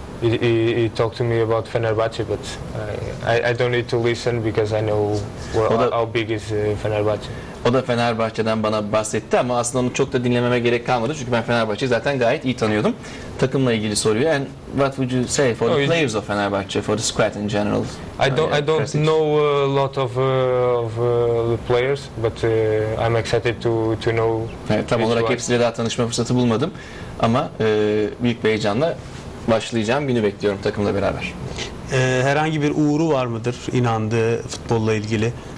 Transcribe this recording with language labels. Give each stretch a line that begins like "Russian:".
English: He talked to me about Fenerbahçe, but I don't need to listen because I know how big is Fenerbahçe.
Turkish: O da Fenerbahçe'den bana bahsetti ama aslında onu çok da dinlememe gerek kalmadı çünkü ben Fenerbahçe'yi zaten gayet iyi tanıyordum. Takımla ilgili soruyor.
English: And what would you say for the players of Fenerbahçe, for the squad in general? I don't know a lot of the players, but I'm excited to know.
Turkish: Evet, tam olarak hepsiyle daha tanışma fırsatı bulmadım ama büyük bir heyecanla başlayacağım günü bekliyorum takımla beraber. Herhangi bir uğuru var mıdır inandığı futbolla ilgili?